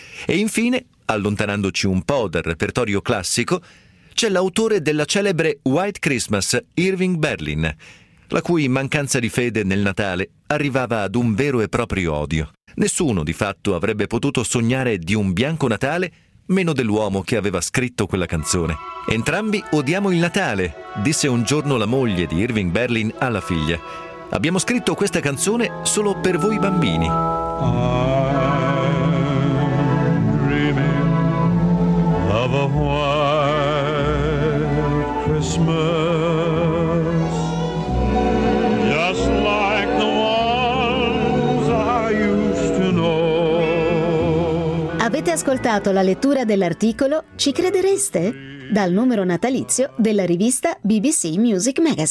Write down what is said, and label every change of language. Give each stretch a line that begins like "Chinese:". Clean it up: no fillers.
Italian: E infine, allontanandoci un po' dal repertorio classico, c'è l'autore della celebre White Christmas, Irving Berlin, la cui mancanza di fede nel Natale arrivava ad un vero e proprio odio. Nessuno, di fatto, avrebbe potuto sognare di un bianco Natale meno dell'uomo che aveva scritto quella canzone. «Entrambi odiamo il Natale», disse un giorno la moglie di Irving Berlin alla figlia. «Abbiamo scritto questa canzone solo per voi bambini».
English: I'm dreaming of a white Christmas, just like the ones I used to know.
Italian: Avete ascoltato la lettura dell'articolo Ci credereste? Dal numero natalizio della rivista BBC Music Magazine.